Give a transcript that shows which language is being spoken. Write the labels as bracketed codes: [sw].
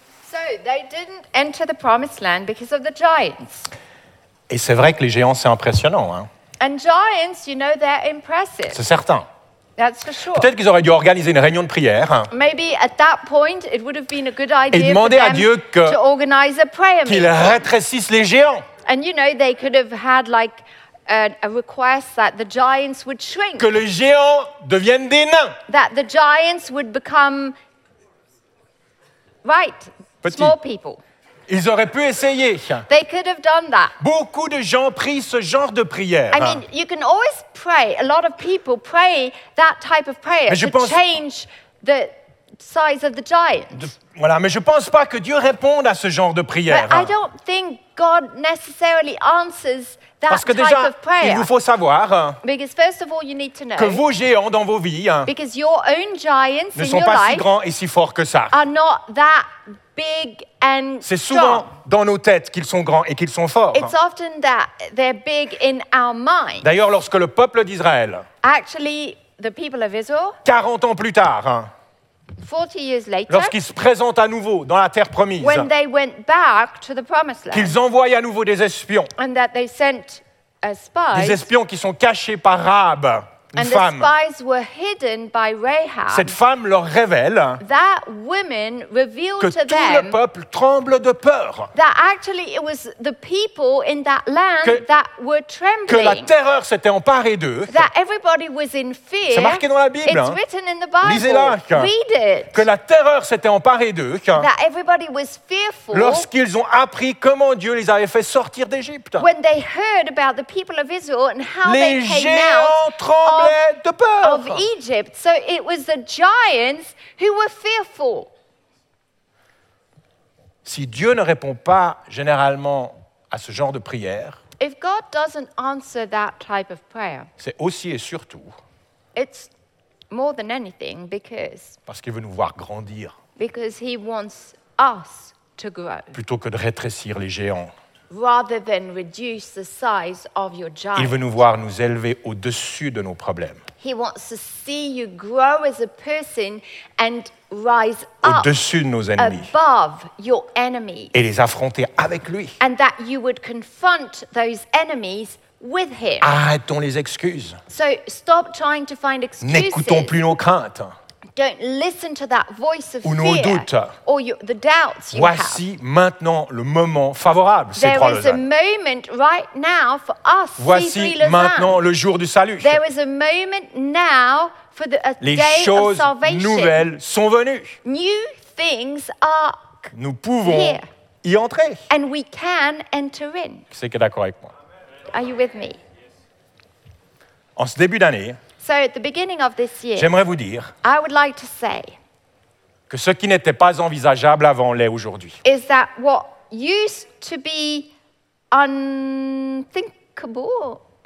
[en] So they didn't enter the promised land because of the giants. [fr] Et c'est vrai que les géants, c'est impressionnant, hein. [en] And giants, you know, they're impressive. [fr] C'est certain. [en] That's for sure. [fr] Peut-être qu'ils auraient dû organiser une réunion de prière. [en] Maybe at that point it would have been a good idea. [fr] Et demander à Dieu que [en] to organize a prayer meeting. [fr] Qu'ils rétrécissent les géants. [en] And you know they could have had like a request that the giants would shrink. [fr] Que les géants deviennent des nains. [en] That the giants would become right [fr] petit. [en] Small people. [fr] Ils auraient pu essayer. [en] They could have done that. [fr] Beaucoup de gens prient ce genre de prière. [en] I mean, you can always pray. A lot of people pray that type of prayer [fr] mais [en] to change the size of the giant. [fr] Voilà, mais je pense pas que Dieu réponde à ce genre de prière. [en] But I don't think God necessarily answers that [fr] type déjà, [en] of prayer. [fr] Il vous faut savoir [en] because first of all, you need to know [fr] que vos géants dans vos vies [en] because your own giants [fr] ne sont pas si grands et si forts que ça. [en] Are not that big and strong. [fr] C'est souvent dans nos têtes qu'ils sont grands et qu'ils sont forts. [en] It's often that they're big in our minds. [fr] D'ailleurs, lorsque le peuple d'Israël, [en] actually, the people of Israel, [fr] 40 ans plus tard, [en] 40 years later, [fr] lorsqu'ils se présentent à nouveau dans la terre promise, [en] when they went back to the promised land, [fr] qu'ils envoient à nouveau des espions, [en] and that they sent a spy, [fr] des espions qui sont cachés par Rahab, [en] and [fr] femme. [en] The spies were hidden by Rahab. [fr] Cette femme leur révèle [en] that woman revealed [fr] que [en] to [fr] tout [en] them [fr] le peuple tremble de peur. [en] That actually it was the people in that land that were trembling. [fr] Que la terreur s'était emparée d'eux. [en] That everybody was in fear. [fr] C'est marqué dans la Bible. [en] It's written in the Bible. [fr] Lisez-la. [en] Read it. [fr] Que la terreur s'était emparée d'eux. [en] That everybody was fearful. [fr] Lorsqu'ils ont appris comment Dieu les avait fait sortir d'Égypte. [en] When they heard about the people of Israel and how [fr] les [en] they came out. Of Egypt, so it was the giants who were fearful. [fr] Si Dieu ne répond pas généralement à ce genre de prière, [en] if God doesn't answer that type of prayer, [fr] c'est aussi et surtout, [en] it's more than anything because [fr] parce qu'il veut nous voir grandir, [en] because he wants us to grow, [fr] plutôt que de rétrécir les géants. [en] Rather than reduce the size of your giant. [fr] Il veut nous voir nous élever au-dessus de nos problèmes. [en] He wants to see you grow as a person and rise [fr] au-dessus [en] up [fr] de nos ennemis [en] above your enemies. [fr] Et les affronter avec lui. [en] And that you would confront those enemies with him. [fr] Arrêtons les excuses. [en] So stop trying to find excuses. [fr] N'écoutons plus nos craintes. [en] Don't listen to that voice of [fr] ou [en] fear, [fr] nos doutes. [en] Or your, the doubts you [fr] Voici [en] have. [fr] Maintenant le moment favorable, c'est [en] There [fr] trois [en] is [fr] Lausanne. [en] A moment right now for us, [fr] Voici [en] three Lausanne. [fr] Maintenant le jour du salut. [en] There is a moment now for the, a [fr] Les [en] day [fr] choses [en] of salvation. [fr] Nouvelles sont venues. [en] New things are [fr] Nous pouvons [en] here. [fr] Y entrer. [en] And we can enter in. [fr] C'est que d'accord avec moi. [en] Are you with me? [fr] En ce début d'année, [en] so at the beginning of this year, [fr] j'aimerais vous dire [en] I would like to say [fr] que ce qui n'était pas envisageable avant l'est aujourd'hui. [en] Is that what used to be unthinkable?